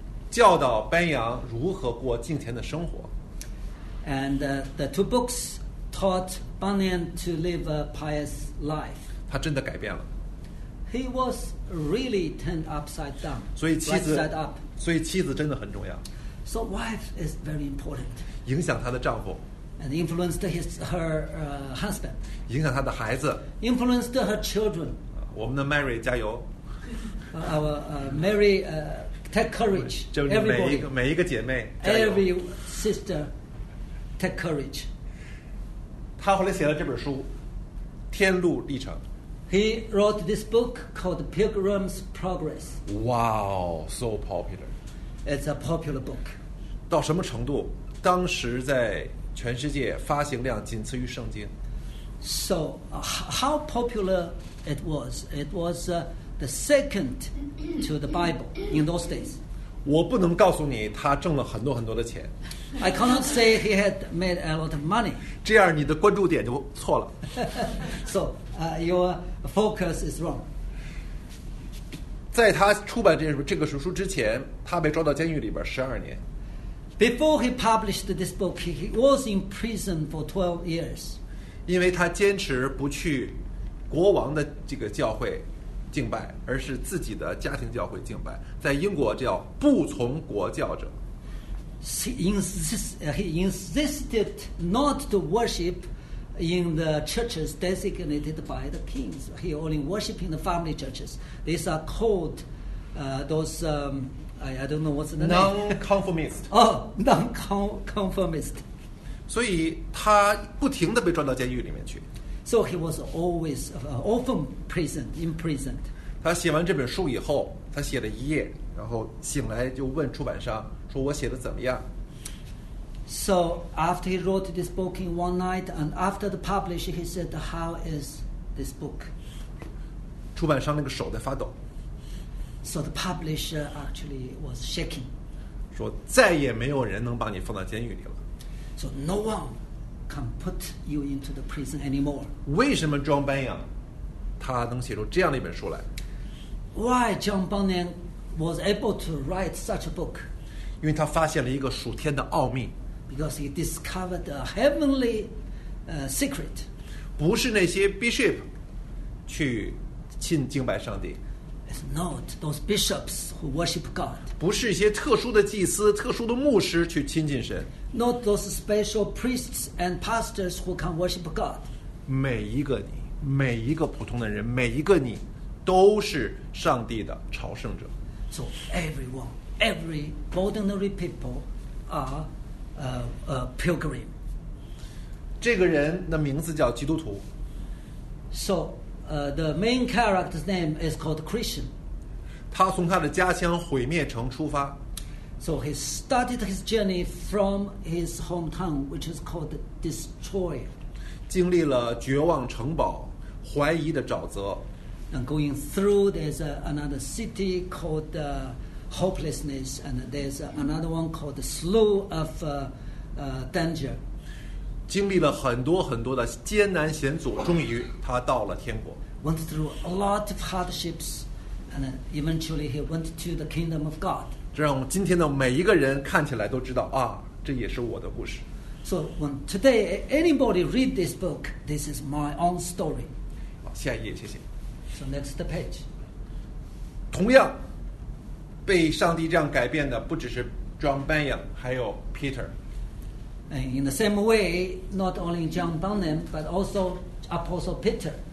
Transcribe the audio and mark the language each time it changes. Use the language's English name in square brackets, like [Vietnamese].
[Chinese] 教导班扬如何过敬虔的生活。 [English] And the two books taught Bunyan to live a pious life. [Chinese] 他真的改变了。 [English] He was really turned upside down. [Chinese] 所以妻子真的很重要。 [English] So wife is very important. [Chinese] 影响她的丈夫。 [English] And influenced her husband. [Chinese] 影响她的孩子。 [English] Influenced her children. [Chinese] 我们的 Mary 加油。 [English] Our Mary take courage. [Chinese] 就是每一个姐妹。 [English] Every sister take courage. [Chinese] 她后来写了这本书《天路历程》。 [English] He wrote this book called Pilgrim's Progress. Wow, so popular. It's a popular book. [Chinese] 到什么程度？当时在全世界发行量仅次于圣经。 [English] So, how popular it was? It was the second to the Bible in those days. [Chinese] 我不能告诉你他挣了很多很多的钱。 [English] I cannot say he had made a lot of money. [Chinese] 这样你的关注点就错了。 [English] So, your focus is wrong. [Chinese] 在他出版这个书之前，他被抓到监狱里边十二年。 [English] Before he published this book, he was in prison for 12 years. [Chinese] 因为他坚持不去国王的这个教会敬拜，而是自己的家庭教会敬拜，在英国叫不从国教者。 [English] He insisted not to worship in the churches designated by the kings. He only worshiped in the family churches. These are called I don't know what's the name. Non-conformist. Oh, non-conformist. [Chinese] 所以他不停地被抓到监狱里面去。 [English] So he was always often imprisoned. [Chinese] 他写完这本书以后，他写了一夜，然后醒来就问出版商说我写的怎么样。 [English] So after he wrote this book in one night and after the publishing, he said, how is this book? [Chinese] 出版商那个手在发抖。 [English] So the publisher actually was shaking. [Chinese] 说再也没有人能把你放到监狱里了。 [English] So no one can put you into the prison anymore. [Chinese] 为什么 John Bunyan 他能写出这样的一本书来？ [English] Why John Bunyan was able to write such a book? [Chinese] 因为他发现了一个属天的奥秘。 [English] Because he discovered a heavenly secret. [Chinese] 不是那些 bishop 去信敬拜上帝。 [English] It's not those bishops who worship God. [Chinese] 不是一些特殊的祭司、特殊的牧师去亲近神。 [English] Not those special priests and pastors who can worship God. [Chinese] 每一个你，每一个普通的人，每一个你，都是上帝的朝圣者。 [English] So everyone, every ordinary people, are a pilgrim. [Chinese] 这个人的名字叫基督徒。 [English] So. The main character's name is called Christian. [Chinese] 他从他的家乡毁灭城出发。 [English] So he started his journey from his hometown, which is called Destroyer. [Chinese] 经历了绝望城堡、怀疑的沼泽。 [English] And going through, there's another city called Hopelessness, and there's another one called Slough of Danger. [Chinese] 经历了很多很多的艰难险阻，终于他到了天国。 [English] Went through a lot of hardships, and eventually he went to the kingdom of God. [Chinese] 这让今天的每一个人看起来都知道啊，这也是我的故事。 [English] So when today anybody read this book, this is my own story. [Chinese] 好，下一页，谢谢。 [English] So next page. [Chinese] 同样被上帝这样改变的不只是 John Bunyan, 还有 Peter. [English] And in the same way, not only John Bunyan, but also Apostle Peter.